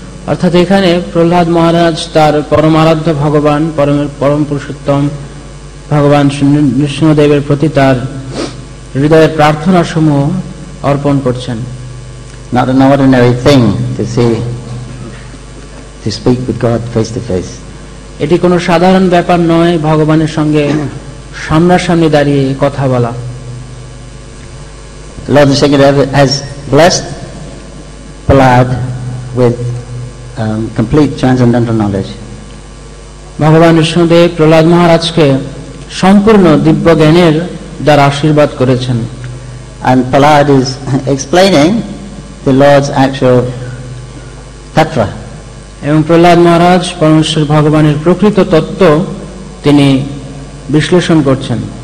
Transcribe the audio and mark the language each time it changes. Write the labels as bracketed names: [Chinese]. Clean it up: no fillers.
[Bangla] Arthat ekhane Prahlad Maharaj tar paramaradhya Bhagavan param purushottam Bhagavan Nrsimhadever proti tar হৃদয়ের প্রার্থনা সমূহ অর্পণ করছেন. [English] Not an ordinary thing to see, to speak with God face to face. [Bangla] এটি কোনো সাধারণ ব্যাপার নয় ভগবানের সঙ্গে সামনাসামনি দাঁড়িয়ে কথা বলা. [English] Lord Nrsimhadev has blessed Prahlad with complete transcendental knowledge. [Bangla] ভগবান নৃসিংহদেব প্রহ্লাদ মহারাজকে সম্পূর্ণ দিব্য জ্ঞানের দার আশীর্বাদ করেছেন. [English] And Prahlad is explaining the Lord's actual tatra. [Bangla] এবং প্রহ্লাদ মহারাজ পরমেশ্বর ভগবানের প্রকৃত তত্ত্ব তিনি বিশ্লেষণ করছেন.